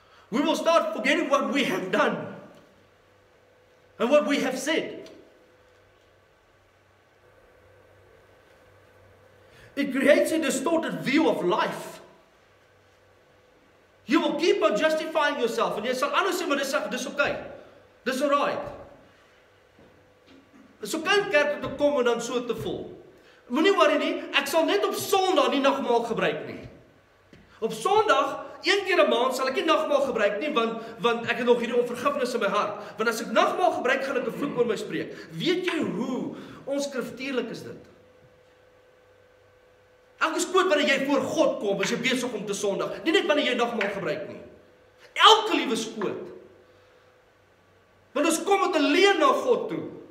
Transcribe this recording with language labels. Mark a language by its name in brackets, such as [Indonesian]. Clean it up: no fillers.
[English] We will start forgetting what we have done and what we have said. It creates a distorted view of life. You will keep on justifying yourself and you say, [Afrikaans] anders sê, maar dis okay. Dis okay. Dis alright. Dis okay om kerk te kom en dan so te voel. Moenie worry nie, ek sal net op Sondag nie nagmaal gebruik nie. Op Sondag, een keer een maand, sal ek nie nagmaal gebruik nie, want ek het nog hierdie onvergifnis in my hart. Want as ek nagmaal gebruik, gaan ek een vloek oor my spreek. Weet jy hoe onskriftuurlik is dit? Elke skoot wanneer jy voor God kom, is jy besig om te sondig. Nie net wanneer jy nagmaal gebruik nie. Elke liewe skoot. Want ons kom met 'n leen na God toe.